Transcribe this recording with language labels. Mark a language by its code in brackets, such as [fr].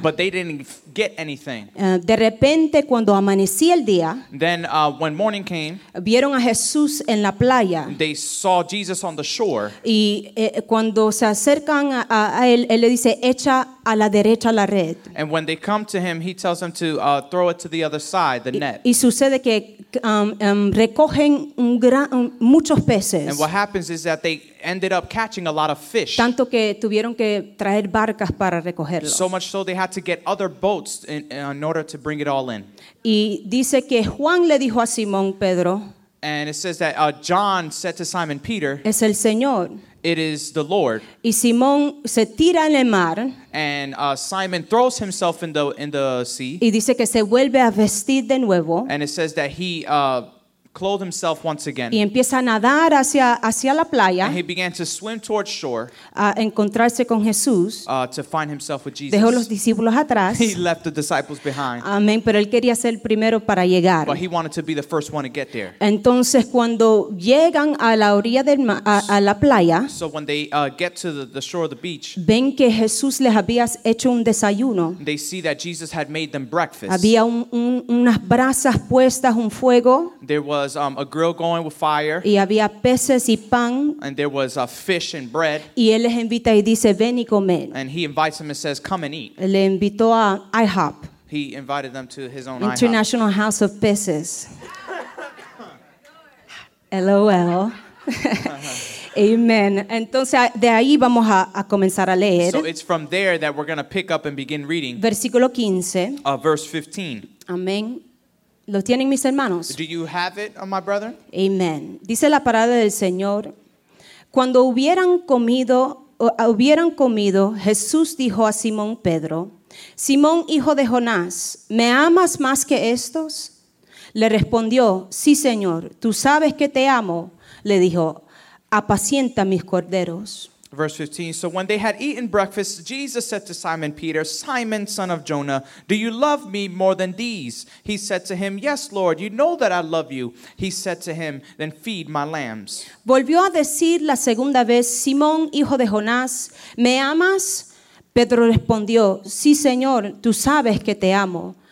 [en] But they didn't get anything. [es] De repente, cuando amanecía el día. [en] Then when morning came. [es] Vieron a Jesús en la playa. [en] They saw Jesus on the shore. [es] Y cuando se acercan a él, él le dice, echa a la derecha la red. [en] And when they come to him, he tells them to throw it to the other side, the net. [es] Y sucede que recogen muchos peces. [en] And what happens is that they ended up catching a lot of fish. [es] Tanto que tuvieron que traer barcas para recogerlos. [en] So much so they had to get other boats in order to bring it all in. [es] Y dice que Juan le dijo a Simón Pedro. [en] And it says that John said to Simon Peter, [es] es el Señor. [en] It is the Lord. [es] Y Simón se tira en el mar. [en] And Simon throws himself in the sea. [es] Y dice que se vuelve a vestir de nuevo. [en] And it says that he clothed himself once again. [es] Y empieza a nadar hacia la playa. [en] And he began to swim towards shore. [es] A encontrarse con Jesús. [en] To find himself with Jesus. [es] Dejó los discípulos atrás. [en] He left the disciples behind. [es] Amén. Pero él quería ser el primero para llegar. [en] But he wanted to be the first one to get there. [es] Entonces cuando llegan a la orilla del a la playa. [en] So when they get to the shore of the beach. [es] Ven que Jesús les había hecho un desayuno. [en] They see that Jesus had made them breakfast. [es] Había unas brasas puestas, un fuego. [en] There was a grill going with fire. [es] Y había peces y pan. [en] And there was fish and bread. [es] Y él les invita y dice, ven y comer. [en] And he invites them and says, come and eat. [es] Le invitó a IHOP. [en] He invited them to his own International IHOP. House of Peces. LOL. Amen. [es] Entonces, de ahí vamos a comenzar a leer. [en] So it's from there that we're going to pick up and begin reading. [es] Versículo 15. [en] Verse 15. [es] Amén. ¿Lo tienen mis hermanos? [en] Do you have it, my brother? [es] Amen. Dice la palabra del Señor. Cuando hubieran comido, Jesús dijo a Simón Pedro, Simón, hijo de Jonás, ¿me amas más que estos? Le respondió, sí, Señor, tú sabes que te amo. Le dijo, apacienta mis corderos. [en] Verse 15, so when they had eaten breakfast, Jesus said to Simon Peter, Simon, son of Jonah, do you love me more than these? He said to him, yes, Lord, you know that I love you. He said to him, then feed my lambs. [es] Volvió a decir la segunda vez, Simón, hijo de Jonás, ¿me amas? Pedro respondió, sí, Señor, tú sabes que te amo.